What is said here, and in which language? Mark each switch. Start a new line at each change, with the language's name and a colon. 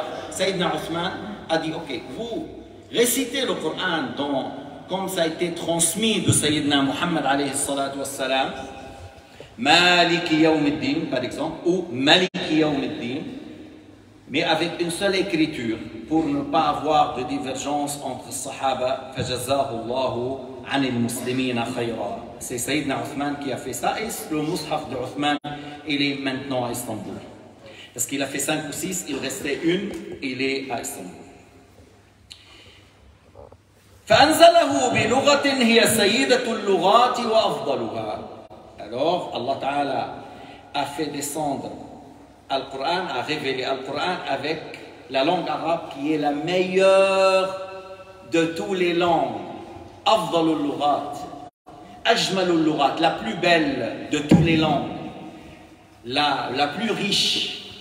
French: Sayyidina Uthman a dit, ok, vous récitez le Coran comme ça a été transmis de Sayyidina Muhammad alayhi salatu wassalam,
Arabic: Maliki Yawm al-Din,
French: par exemple, ou Maliki Yawm al-Din, mais avec une seule écriture, pour ne pas avoir de divergence entre Sahaba,
Arabic: Fajazahullahu, Anil Muslimina Khayra.
French: C'est Sayyidina Uthman qui a fait ça, et le Mushaf de Uthman, il est maintenant à Istanbul. Parce qu'il a fait 5 ou 6, il restait une, il est à Istanbul.
Arabic: فأنزله بلغة هي سيدة اللغات وأفضلها.
French: Alors, Allah Ta'ala a fait descendre le Coran, a révélé le Coran avec la langue arabe qui est la meilleure de toutes les langues.
Arabic: Afdalul lughat, ajmalul lughat,
French: la plus belle de toutes les langues, la plus riche.